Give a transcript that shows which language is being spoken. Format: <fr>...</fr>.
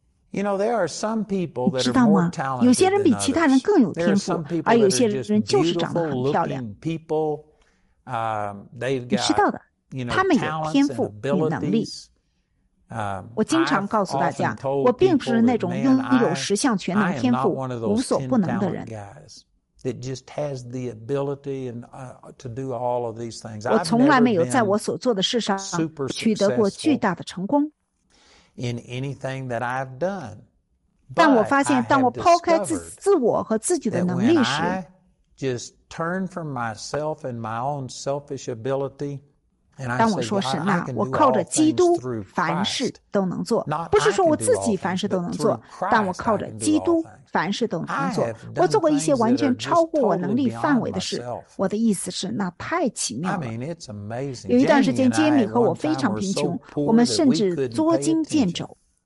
<zh>你知道吗？有些人比其他人更有天赋，而有些人就是长得很漂亮。你知道的，他们有天赋与能力。我经常告诉大家，我并不是那种拥有十项全能天赋、无所不能的人。</zh> <en>That just has the ability and, to do all of these things.</en> <zh>我从来没有在我所做的事上取得过巨大的成功。</zh> <en>In anything that I've done.</en> <zh>但我发现，当我抛开自我和自己的能力时，</zh> <en>I just turn from myself and my own selfish ability.</en> <zh>当我说神啊，我靠着基督凡事都能做，不是说我自己凡事都能做，但我靠着基督凡事都能做。我做过一些完全超过我能力范围的事，我的意思是那太奇妙了。有一段时间杰米和我非常贫穷，我们甚至捉襟见肘。</zh>